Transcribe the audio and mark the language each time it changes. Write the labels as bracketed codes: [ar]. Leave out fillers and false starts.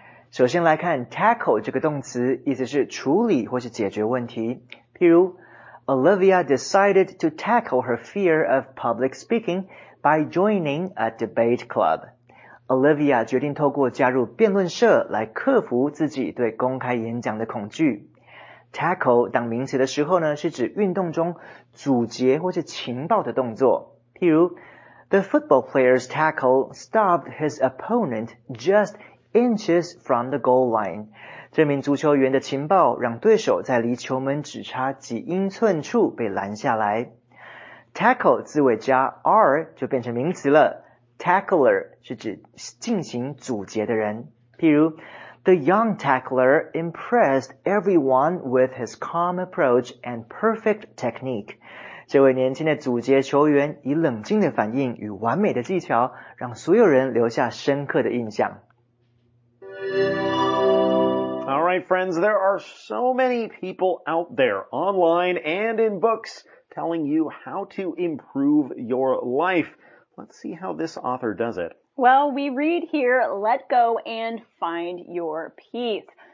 [zh] 首先来看 tackle 这个动词，意思是处理或是解决问题。譬如 [en] Olivia decided to tackle her fear of public speaking by joining a debate club. [zh] Olivia 决定透过加入辩论社来克服自己对公开演讲的恐惧。 Tackle 当名词的时候呢，是指运动中阻截或是擒抱的动作。譬如 [en] The football player's tackle stopped his opponent just inches from the goal line. [zh] 这名足球员的擒抱让对手在离球门只差几英寸处被拦下来。 Tackle 字尾加 r 就变成名词了。Tackler 是指进行阻截的人。譬如 [en] ,The young tackler impressed everyone with his calm approach and perfect technique. [zh] 这位年轻的阻截球员以冷静的反应与完美的技巧让所有人留下深刻的印象。 [en] Alright friends, there are so many people out there online and in books telling you how to improve your life. Let's see how this author does it. Well, we read here, let go and find your peace.